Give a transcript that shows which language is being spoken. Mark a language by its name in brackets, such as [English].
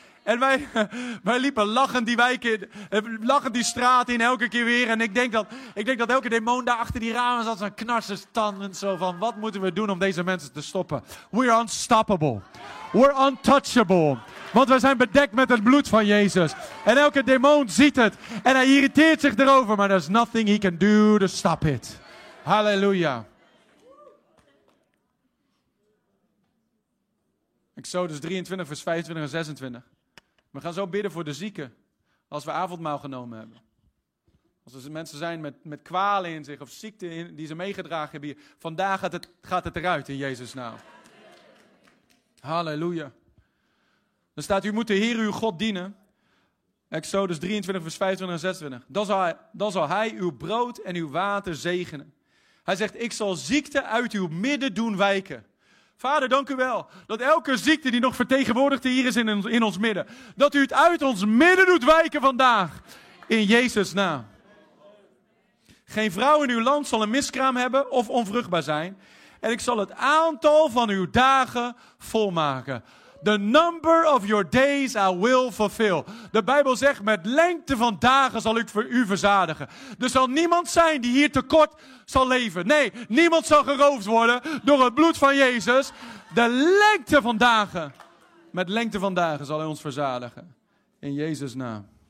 [Dutch] En wij liepen lachend die wijk in, lachend die straat in elke keer weer. En ik denk dat elke demon daar achter die ramen zat, zo'n knarsen stand en zo van, wat moeten we doen om deze mensen te stoppen? [English] We're unstoppable. We're untouchable. [Dutch] Want wij zijn bedekt met het bloed van Jezus. En elke demon ziet het. En hij irriteert zich erover. [English] Maar there's nothing he can do to stop it. [Dutch] Halleluja. Exodus 23, vers 25 en 26. We gaan zo bidden voor de zieken. Als we avondmaal genomen hebben. Als er mensen zijn met kwalen in zich. Of ziekten in, die ze meegedragen hebben. Hier. Vandaag gaat het eruit in Jezus' naam. Halleluja. Dan staat, u moet de Heer uw God dienen. Exodus 23, vers 25 en 26. Dan zal hij uw brood en uw water zegenen. Hij zegt, ik zal ziekte uit uw midden doen wijken. Vader, dank u wel dat elke ziekte die nog vertegenwoordigd hier is in ons midden, dat u het uit ons midden doet wijken vandaag. In Jezus' naam. Geen vrouw in uw land zal een miskraam hebben of onvruchtbaar zijn. En ik zal het aantal van uw dagen volmaken. [English] The number of your days I will fulfill. [Dutch] De Bijbel zegt, met lengte van dagen zal ik voor u verzadigen. Er zal niemand zijn die hier tekort zal leven. Nee, niemand zal geroofd worden door het bloed van Jezus. De lengte van dagen. Met lengte van dagen zal hij ons verzadigen. In Jezus' naam.